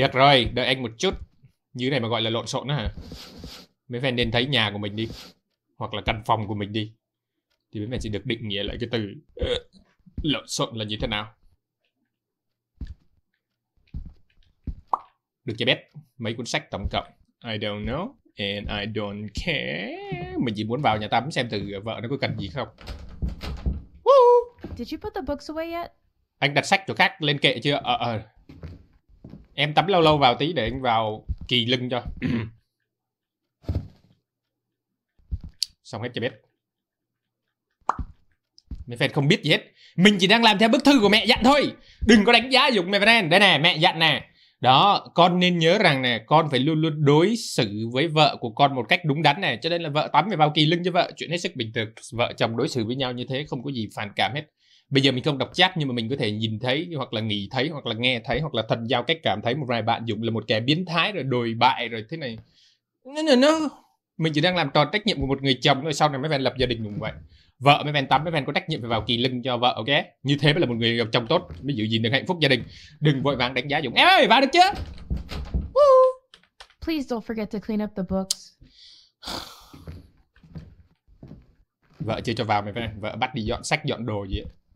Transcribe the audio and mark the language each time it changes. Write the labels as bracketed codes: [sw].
[vi] Được rồi, đợi anh một chút. Như này mà gọi là lộn xộn nữa hả? Mấy fan nên thấy nhà của mình đi, hoặc là căn phòng của mình đi, thì mấy fan sẽ được định nghĩa lại cái từ lộn xộn là như thế nào. Được chưa biết mấy cuốn sách tổng cộng? [en] I don't know and I don't care. [vi] Mình chỉ muốn vào nhà tắm xem thử vợ nó có cần gì không. Woo! [en] Did you put the books away yet? [vi] Anh đặt sách chỗ khác lên kệ chưa? Em tắm lâu lâu vào tí để anh vào kỳ lưng cho. Xong hết cho biết. Mẹ phèn không biết gì hết. Mình chỉ đang làm theo bức thư của mẹ dặn thôi. Đừng có đánh giá dùng mẹ phèn. Đây nè, mẹ dặn nè. Đó, con nên nhớ rằng nè, con phải luôn luôn đối xử với vợ của con một cách đúng đắn nè. Cho nên là vợ tắm phải vào kỳ lưng cho vợ. Chuyện hết sức bình thường. Vợ chồng đối xử với nhau như thế không có gì phản cảm hết. Bây giờ mình không đọc chat nhưng mà mình có thể nhìn thấy, hoặc là nghĩ thấy, hoặc là nghe thấy, hoặc là thần giao cách cảm thấy một vài bạn dùng là một kẻ biến thái rồi đồi bại rồi thế này. No. Mình chỉ đang làm tròn trách nhiệm của một người chồng thôi, sau này mấy bạn lập gia đình cũng vậy. Vợ mấy bạn tắm, mấy bạn có trách nhiệm phải vào kỳ lưng cho vợ, ok? Như thế mới là một người chồng tốt, mới giữ gìn được hạnh phúc gia đình. Đừng vội vàng đánh giá dùng. Em ơi, vào được chưa? Woo. [en] Please don't forget to clean up the books. [vi] Vợ chưa cho vào mấy bạn, vợ bắt đi dọn sách, dọn đồ gì ấy.